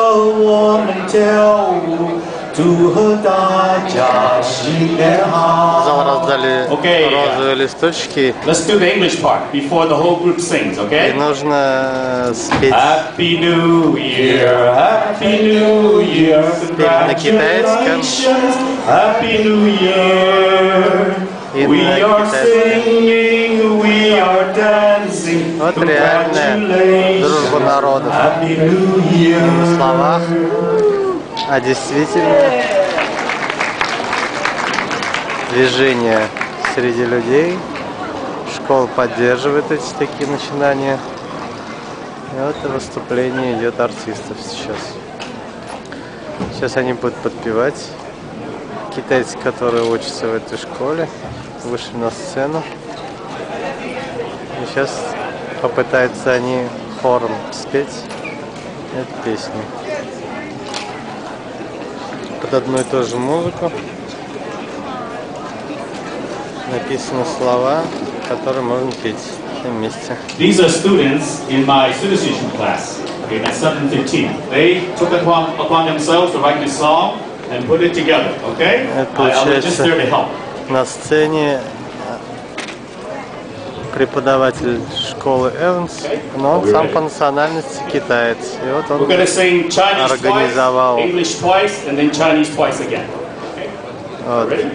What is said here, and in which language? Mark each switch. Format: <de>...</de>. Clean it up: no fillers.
<zh>我们唱歌我们跳舞, 祝贺大家新年好。</zh> <ru>раздали розовые листочки.</ru> <en>Let's do the English part before the whole group sings, okay?</en> <ru>И нужно спеть.</ru> <en>Happy New Year, Happy New Year, congratulations, Happy New Year. We are singing, we are dancing.</en> <ru>Вот реальная дружба народов.</ru> <en>Happy New Year.</en> <ru>В словах. А действительно, движение среди людей, школа поддерживает эти такие начинания. И вот выступление идет артистов сейчас. Сейчас они будут подпевать. Китайцы, которые учатся в этой школе, вышли на сцену. И сейчас попытаются они хором спеть эту песню. Под одну и ту же музыку написаны слова, которые можно петь все вместе.</ru> <en>These are students in my citizenship class, okay, at 7:15. They took it upon themselves to write this song and put it together, okay?</en> <ru>Это получается,</ru> <en>I'll just there to help.</en> <ru>На сцене преподаватель школы Эванс, но он сам по национальности китаец. И вот он организовал. Вот.</ru>